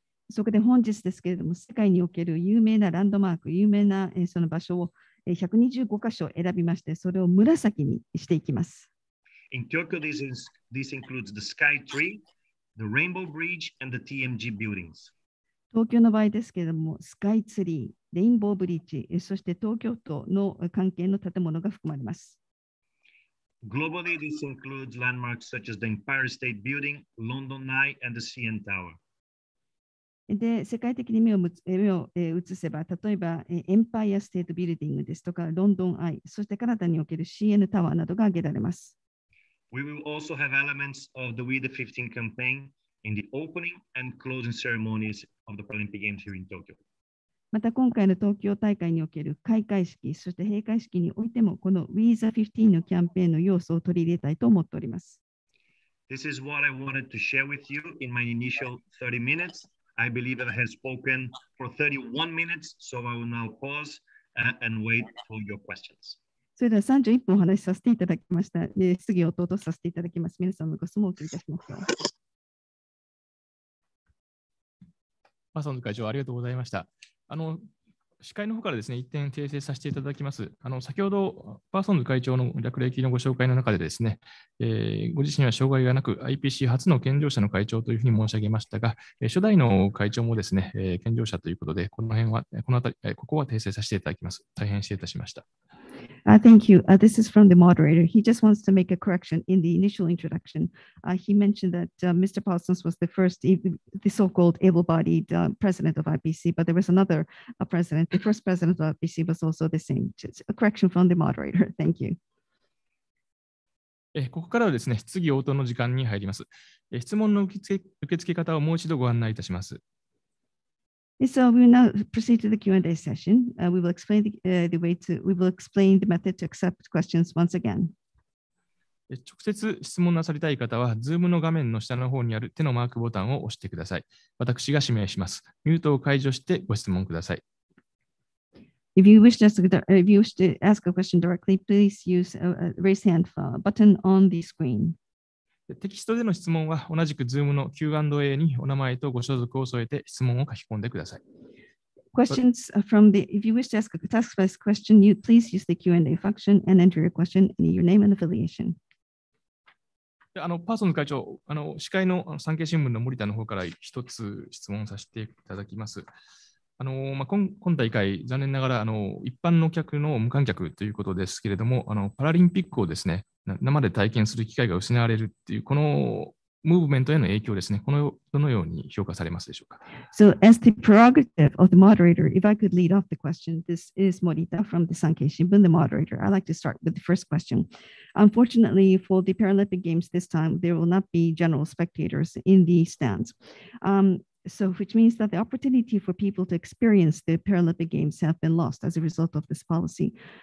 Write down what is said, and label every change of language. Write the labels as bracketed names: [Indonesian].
[Japanese] そこで本日ですけれども、世界における有名なランドマーク、有名なその場所を125箇所選びまして、それを紫にしていきます。 [English] In Tokyo, this includes the Sky Tree, the Rainbow Bridge, and the TMG buildings. [Japanese] 東京の場合ですけれども、スカイツリー、レインボーブリッジ、そして東京都の関係の建物が含まれます。 [English] Globally, this includes landmarks such as the Empire State Building, London Eye, and the CN Tower. [Japanese] で、世界的に目を移せば、例えば、Empire State Building ですとか、London Eye、そしてカナダにおける CN Tower などが挙げられます。 [English] We will also have elements of the We the 15 campaign in the opening and closing ceremonies of the Paralympic Games here in Tokyo. [Japanese] また今回の東京大会における開会式、そして閉会式においても、この We the 15 のキャンペーンの要素を取り入れたいと思っております。 [English] This is what I wanted to share with you in my initial 30 minutes. I believe that I have spoken for 31 minutes, so I will now pause and wait for your questions. [Japanese] それでは31分お話しさせていただきました。質疑応答とさせていただきます。皆さんのご質問をお聞きいたします。マサノ会長、ありがとうございました。司会の方からですね、1点訂正させていただきます。先ほどパーソンズ会長の略歴のご紹介の中でですね、ご自身は障害がなく IPC 初の健常者の会長というふうに申し上げましたが、初代の会長もですね、健常者ということで、この辺はこのあたり、ここは訂正させていただきます。大変失礼いたしました。 [English] Thank you. This is from the moderator. He just wants to make a correction in the initial introduction. He mentioned that Mr. Parsons was the first, the so-called able-bodied president of IPC, but there was another president. The first president of IPC was also the same. Just a correction from the moderator. Thank you. [Japanese] ここからはですね、質疑応答の時間に入ります。質問の受付方をもう一度ご案内いたします。 [English] So we will now proceed to the Q&A session. We will explain the way to, we will explain the method to accept questions once again. [Japanese] 直接質問なさりたい方は、Zoom の画面の下の方にある手のマークボタンを押してください。私が指名します。ミュートを解除してご質問ください。 [English] If you wish to ask, if you wish to ask a question directly, please use a raise hand button on the screen. [Japanese] テキストでの質問は同じく Zoom の Q&A にお名前とご所属を添えて質問を書き込んでください。 [English] Questions from the, if you wish to ask a task-based question, you please use the Q&A function and enter your question and your name and affiliation. [Japanese] パーソンズ会長、司会の産経新聞の森田の方から一つ質問させていただきます。今大会、残念ながら一般の客の無観客ということですけれども、パラリンピックをですね、生で体験する機会が失われるっていうこのムーブメントへの影響ですね。このどのように評価されますでしょうか。 [English] So as the prerogative of the moderator, if I could lead off the question, this is Morita from the Sankei Shimbun, the moderator. I'd like to start with the first question. Unfortunately, for the Paralympic Games this time, there will not be general spectators in the stands. So which means that the opportunity for people to experience the Paralympic Games have been lost as a result of this policy.